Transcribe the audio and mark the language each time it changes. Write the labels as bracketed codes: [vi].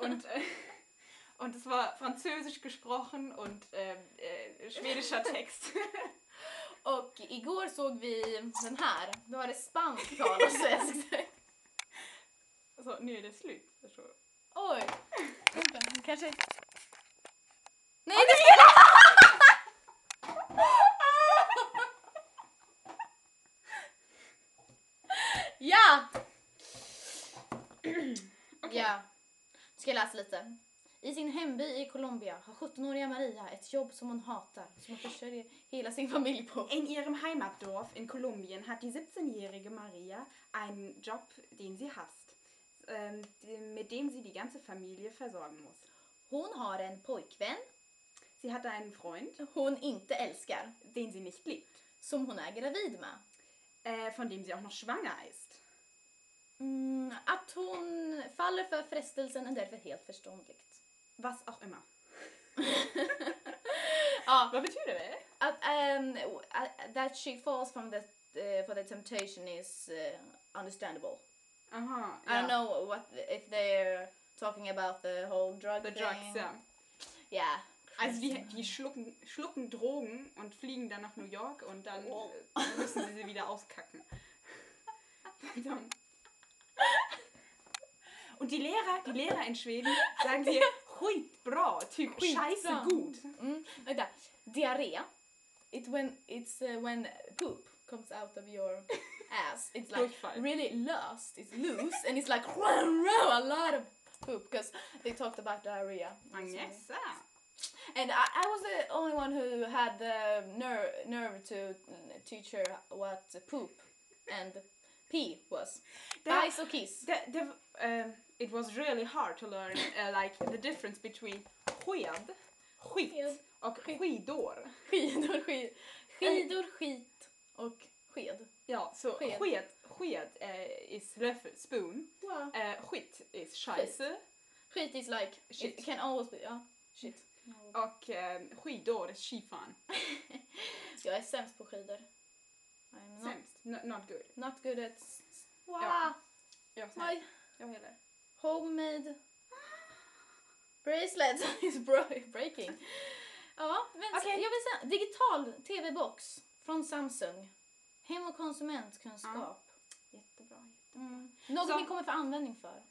[de] Und und es war französisch gesprochen und schwedischer Text. [sv] Och igår såg vi den här. Då var det spansk tal och svensk. Så nu är det slut. Så. Oj. Kanske. Nej, det är det. Ja. Ja. Ska läsa lite. I sin hemby i Colombia har 17-åriga Maria ett jobb som hon hatar, som hon försörjer hela sin familj på. [de] In ihrem Heimatdorf in Kolumbien hat die 17-jährige Maria einen Job, den sie hasst. Med dem sie die ganze Familie versorgen muss. [sv] Hon har en pojkvän. [de] Sie hat einen Freund. [sv] Hon inte älskar. [de] Den sie nicht liebt. [sv] Som hon är gravid med. [de] Von dem sie auch noch schwanger ist. [sv] Att hon faller för frestelsen är därför helt förståndligt. [de] Was auch immer. Ja. [sv] Vad betyder det? [en] Att, that she falls from that, for the temptation is understandable. Uh-huh, yeah. I don't know what if they're talking about the whole drug the thing. The drugs, yeah. Yeah. [de] Also die schlucken Drogen und fliegen dann nach New York und dann müssen sie wieder auskacken. Und die Lehrer in Schweden sagen sie skitbra, typ scheiße gut. [en] Okay. Diarrhea. It's when poop comes out of your ass. It's like really lost. It's loose and it's like a lot of poop because they talked about diarrhea. Agnesa. And I was the only one who had the nerve to teach her what poop and pee was. [sv] Bajs och kiss. [en] It was really hard to learn like the difference between sked, skit och skidor. [sv] Skidor, skit och sked. Ja, så [en] sked is löffel, spoon. Ja. Skit is scheisse. Skit is like shit. It can always be, ja. Shit. [sv] No. Och skidor, skifan. Jag är sämst på skidor. [en] Sämst? Not good. Not good at... Wow. Ja. [sv] Jag heller. [en] Homemade bracelet is breaking. [sv] Ja, men okay. Jag vill säga, digital tv-box från Samsung. Hem- och konsumentkunskap. Ja. Jättebra, jättebra. Något ni kommer få användning för.